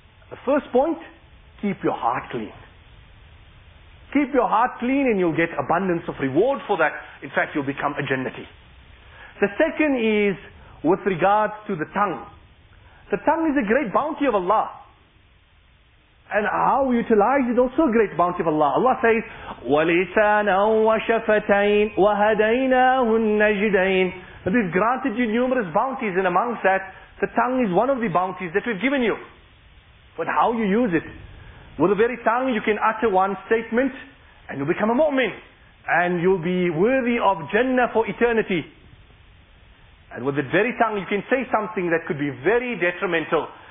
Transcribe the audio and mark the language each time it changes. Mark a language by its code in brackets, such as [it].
[en] The first point, keep your heart clean. Keep your heart clean and you'll get abundance of reward for that. In fact, you'll become a Jannati. The second is with regards to the tongue. The tongue is a great bounty of Allah. And how we utilize it is also a great bounty of Allah. Allah says, [ar] وَلِسَانًا وَشَفَتَيْنْ وَهَدَيْنَاهُ النَّجِدَيْنَ. [en] That we've granted you numerous bounties, and amongst that, the tongue is one of the bounties that we've given you. But how you use it? With the very tongue you can utter one statement and you'll become a mu'min. And you'll be worthy of Jannah for eternity. And with the very tongue you can say something that could be very detrimental.